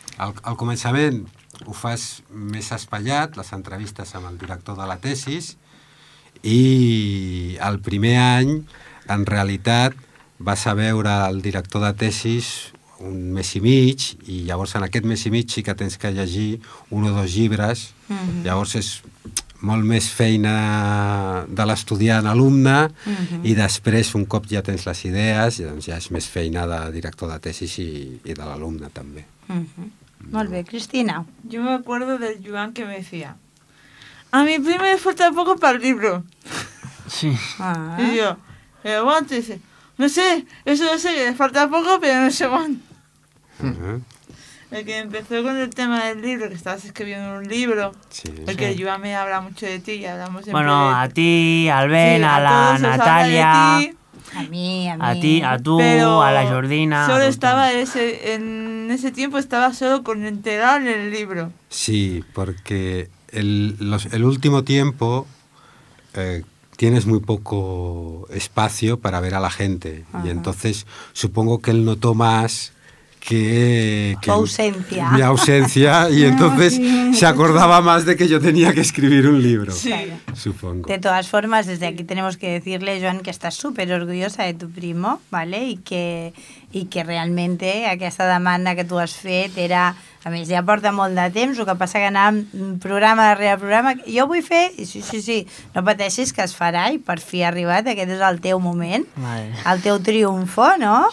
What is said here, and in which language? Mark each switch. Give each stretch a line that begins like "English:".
Catalan: Al començament ho fas més espaiat, les entrevistes amb el director de la tesis, i el primer any, en realitat, vas a veure el director de tesis un mes i mig, i llavors en aquest mes i mig sí que tens que llegir un o dos llibres, llavors és molt més feina de l'estudiant alumne, i després, un cop ja tens les idees, doncs ja és més feina de director de tesis i de l'alumne, també. Molt bé. Cristina.
Spanish: Jo me acuerdo del Joan que me decía: a mi prima me falta poco para el libro. Sí. Y yo, pero bueno, te dice, no sé, eso no sé, que le falta poco, pero no sé cuánto. El que empezó con el tema del libro, que estabas escribiendo un libro, sí, porque Joan me habla mucho de ti y hablamos siempre. Bueno, de... a ti, al Ben, sí, a la Natalia, a mí, a tú, pero a la Jordina. Solo estaba en ese tiempo estaba solo con enterar el libro. Sí, porque el último tiempo tienes muy poco espacio para ver a la gente. Ajá. Y entonces supongo que él notó más que ausencia. Mi ausencia, y entonces se acordaba más de que yo tenía que escribir un libro, sí, supongo. De todas formas, desde aquí tenemos que decirle, Joan, que estás súper orgullosa de tu primo, ¿vale?
Catalan: Y que realmente aquesta demanda que tu has fet era, a més, ja porta molt de temps, el que passa que anàvem programa darrere programa, jo vull fer, sí, no pateixis que es farà, i per fi ha arribat, aquest és el teu moment, vale. El teu triomfo, no?